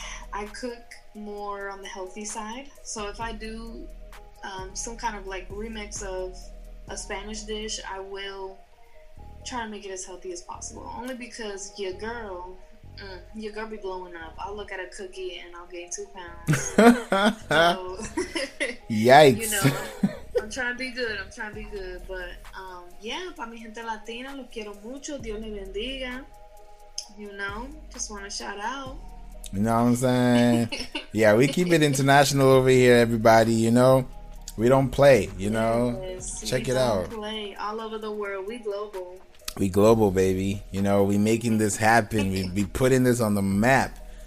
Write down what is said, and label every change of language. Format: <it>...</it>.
<en>I cook more on the healthy side. So if I do some kind of like remix of a Spanish dish, I will try to make it as healthy as possible. Only because your girl be blowing up. I'll look at a cookie and I'll gain 2 pounds. So, yikes. You know, I'm trying to be good. But yeah,</en> <es>para mi gente latina, lo quiero mucho. Dios le bendiga.</es> <en>You know, just want to shout out. You know what I'm saying? Yeah, we keep it international over here, everybody. You know, we don't play, you know. Yes, check we it don't out. Play all over the world. We global. We global, baby. You know, we making this happen. We putting this on the map.</en>